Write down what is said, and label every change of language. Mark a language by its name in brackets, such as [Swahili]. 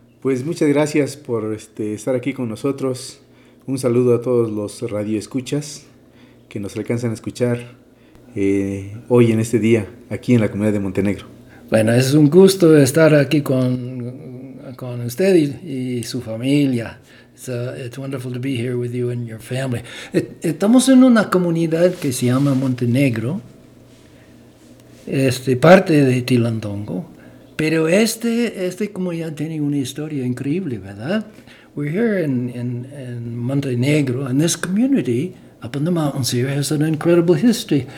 [Spanish] Pues muchas gracias por estar aquí con nosotros. Un saludo a todos los radioescuchas que nos alcanzan a escuchar hoy en este día aquí en la comunidad de Montenegro. Bueno, es un gusto estar aquí con usted y su familia. [English] It's wonderful to be here with you and your family. [Spanish] Estamos en una comunidad que se llama Montenegro, parte de Tilantongo, pero esta comunidad tiene una historia increíble, ¿verdad? [English] We're here in Montenegro, and this community up in the mountains here has an incredible history.